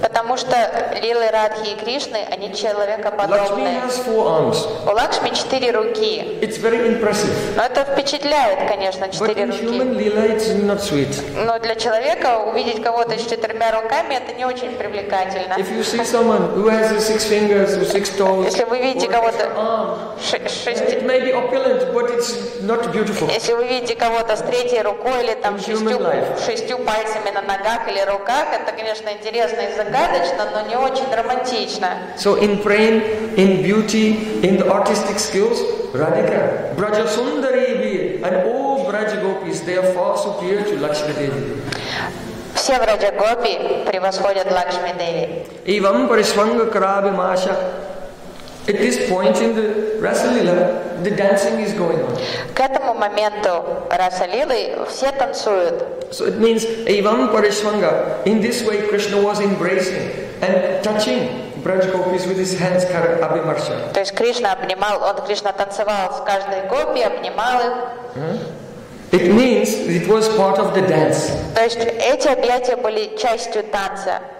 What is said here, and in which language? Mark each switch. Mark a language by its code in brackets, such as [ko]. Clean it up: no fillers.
[ru] Потому что лилы Радхи и Кришны, они человекоподобны. У Лакшми четыре руки. [en] It's very impressive. [ru] Но это впечатляет, конечно, четыре руки. [en] Human lila, it's not sweet. [ru] Но для человека увидеть кого-то с четырьмя руками, это не очень привлекательно. [en] If you see someone who has six fingers or six toes, [ru] если вы видите кого-то шесть, [en] it may be opulent, but it's not beautiful. [ru] Если вы видите кого-то с третьей рукой или там шестью пальцами на ногах или руках, это, конечно, интересно. Загадочно, но не очень романтично. [en] So in prem, in beauty, in the artistic skills, Radhika, Braja Sundari Devi, and all Braja Gopis, they are far superior to Lakshmi Devi. [ru] Все Braja Gopi превосходят Лакшми Деви. [sa] Ивам Парисванга Караби Маша. [en] At this point in the Rasalila, the dancing is going on. [ru] К этому моменту Расалилы все танцуют. [en] So it means Ivam Parishvanga. In this way, Krishna was embracing and touching Braj Gopis with his hands, Kara Abhimarsha. [ru] То есть Кришна обнимал, он Кришна танцевал с каждой гопи, обнимал их. [en] It means it was part of the dance. [ru] То есть эти объятия были частью танца.